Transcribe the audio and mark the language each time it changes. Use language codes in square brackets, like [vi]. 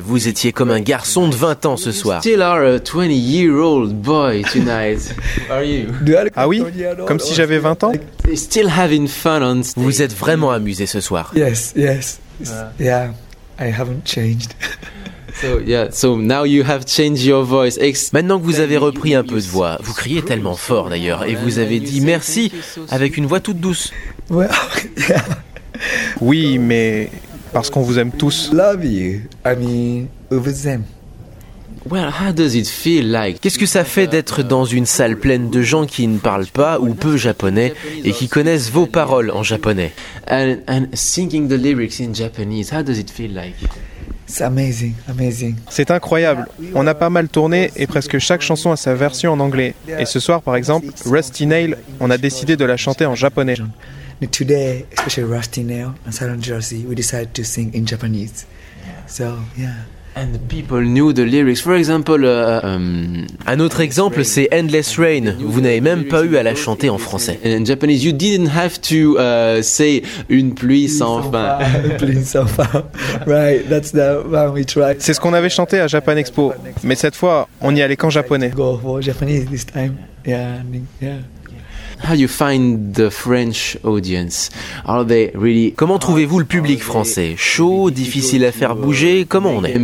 [fr] Vous étiez comme un garçon de 20 ans ce soir. [en] You still are a 20-year-old boy tonight. Are you? [fr] Ah oui? Comme si j'avais 20 ans? [en] Still having fun on stage. [fr] Vous êtes vraiment amusé ce soir. [en] Yes, yes. Yeah, I haven't changed. So now you have changed your voice. [fr] Maintenant que vous avez repris un peu de voix, vous criez tellement fort d'ailleurs, et vous avez dit merci avec une voix toute douce. [en] Well, yeah. [fr] Oui, mais parce qu'on vous aime tous. [en] Love you. I mean, we [fr] vous aime. [en] Well, how does it feel like? [fr] Qu'est-ce que ça fait d'être dans une salle pleine de gens qui ne parlent pas ou peu japonais et qui connaissent vos paroles en japonais? [en] And singing the lyrics in Japanese, how does it feel like? It's amazing, amazing. [fr] C'est incroyable. On a pas mal tourné et presque chaque chanson a sa version en anglais. Et ce soir, par exemple, Rusty Nail, on a décidé de la chanter en japonais. [en] Today, especially Rusty Nail and Silent Jersey, we decided to sing in Japanese. Yeah. So, yeah. And the people knew the lyrics. For example, [fr] un autre exemple, c'est Endless Rain. Vous n'avez même pas eu à la chanter en français. [en] And in Japanese, you didn't have to say [fr] une pluie sans fin. Une pluie sans fin. [en] Right, that's the one we tried. [fr] C'est ce qu'on avait chanté à Japan Expo. Mais cette fois, on y allait qu'en japonais. [en] Go for Japanese this time. Yeah, yeah. How you find the French audience? Are they really? [fr] Comment trouvez-vous le public français? Chaud, difficile à faire bouger? Comment on est?